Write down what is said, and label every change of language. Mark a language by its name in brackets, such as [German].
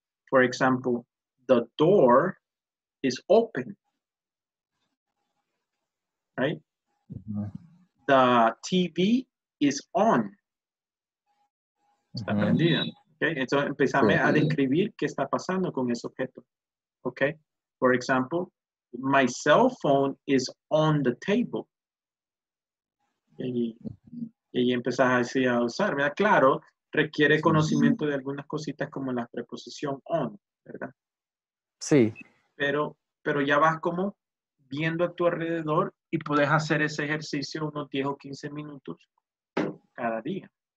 [English] For example, the door is open. Right? The TV is on. [Spanish] Está prendida. [English] Okay? [Spanish] Entonces, empezame a describir qué está pasando con ese objeto. [English] Okay? For example, my cell phone is on the table. [Spanish] Y empezás así a usar. ¿Verdad? Claro, requiere conocimiento de algunas cositas como la preposición on, ¿verdad? Sí. Pero ya vas como viendo a tu alrededor y puedes hacer ese ejercicio unos 10 o 15 minutos cada día.